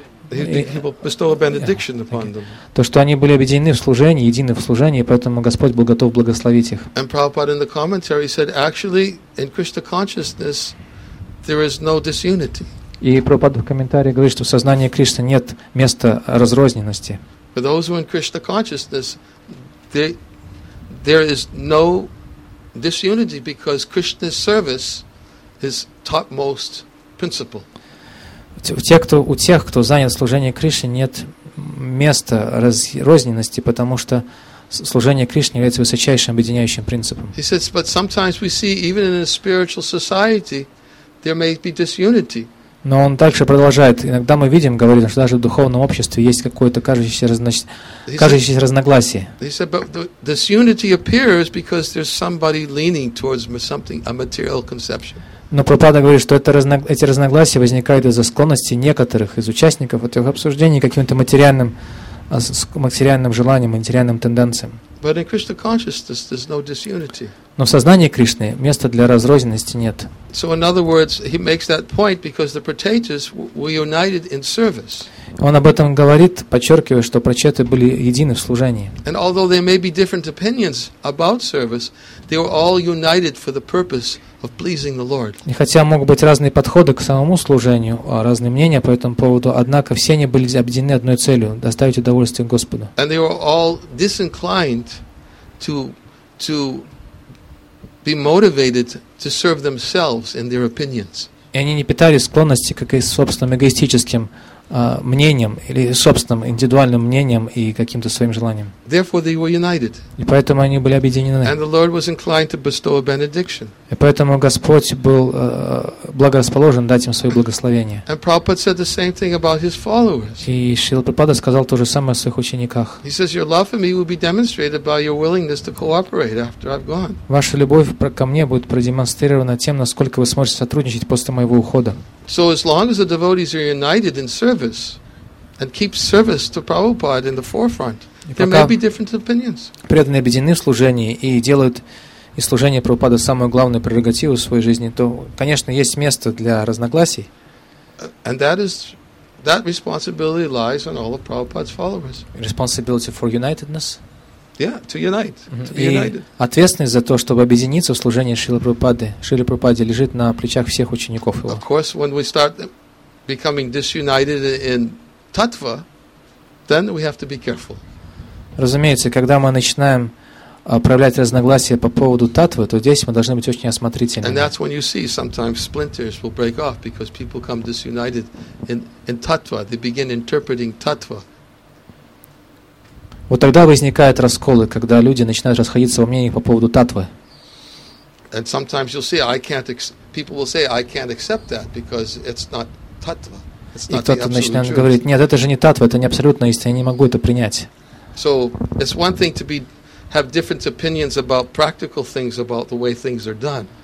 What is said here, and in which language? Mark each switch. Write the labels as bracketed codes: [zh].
[en] He will bestow a benediction upon them. [ru] То, что они были объединены в служении, едины в служении, поэтому Господь был готов благословить их. [en] And Prabhupada in the commentary said, actually, in Krishna consciousness, there is no disunity. [ru] И Прабхупада в комментарии говорит, что в сознании Кришны нет места разрозненности. [en] For those who are in Krishna consciousness, there is no disunity because Krishna's service is topmost principle. [ru] У тех, кто занят служением Кришне, нет места разрозненности, потому что служение Кришне является высочайшим объединяющим принципом. [en] He says, but sometimes we see even in a spiritual society there may be disunity. [ru] Но он также продолжает. Иногда мы видим, говорит, что даже в духовном обществе есть какое-то кажущееся разногласие. [en] He said, but this unity appears because there's somebody leaning towards something, a material conception. [ru] Но Прабхупада говорит, что эти разногласия возникают из-за склонности некоторых из участников этих обсуждений к каким-то материальным желаниям, материальным тенденциям. [en] But in Krishna consciousness, there's no disunity. [ru] Но в сознании Кришны места для разрозненности нет. [en] So in other words, he makes that point because the Prachetas were united in service. [ru] Он об этом говорит, подчеркивая, что прачеты были едины в служении. [en] And although there may be different opinions about service, they were all united for the purpose of pleasing the Lord. [ru] И хотя могут быть разные подходы к самому служению, разные мнения по этому поводу, однако все они были объединены одной целью – доставить удовольствие Господу. [en] And they were all disinclined to be motivated to serve themselves in their opinions. [ru] И они не питали склонности к собственным эгоистическим мнением или собственным индивидуальным мнением и каким-то своим желанием. [en] Therefore they were united. [ru] И поэтому они были объединены. [en] And the Lord was inclined to bestow a benediction. [ru] И поэтому Господь был благорасположен дать им свое благословение. [en] And Prabhupada said the same thing about his followers. [ru] И Шрила Прабхупада сказал то же самое о своих учениках. [en] He says your love for me will be demonstrated by your willingness to cooperate after I've gone. [ru] Ваша любовь ко мне будет продемонстрирована тем, насколько вы сможете сотрудничать после моего ухода. [en] So as long as the devotees are united in service and keep service to Prabhupada in the forefront, there may be different opinions. [ru] Преданные объединены в служении и делают из служения Прабхупады самую главную прерогативу в своей жизни, то, конечно, есть место для разногласий. [en] And that responsibility lies on all of Prabhupada's followers. Responsibility for unitedness. Yeah, to unite. [ru] И ответственность за то, чтобы объединиться в служении Шрилы Прабхупады, лежит на плечах всех учеников его. [en] Of course, when we start becoming disunited in tattva, then we have to be careful. [ru] Разумеется, когда мы начинаем проявлять разногласия по поводу таттвы, то здесь мы должны быть очень осмотрительными. [en] And that's when you see sometimes splinters will break off because people come disunited in tattva. They begin interpreting tattva. [ru] Вот тогда возникают расколы, когда люди начинают расходиться во мнениях по поводу таттвы. [en] And sometimes you'll see people will say I can't accept that because it's not tattva. [ru] И кто-то начинает говорить: нет, это же не таттва, это не абсолютная истина, я не могу это принять. [en] So it's one thing to have different opinions about practical things about the way things are done.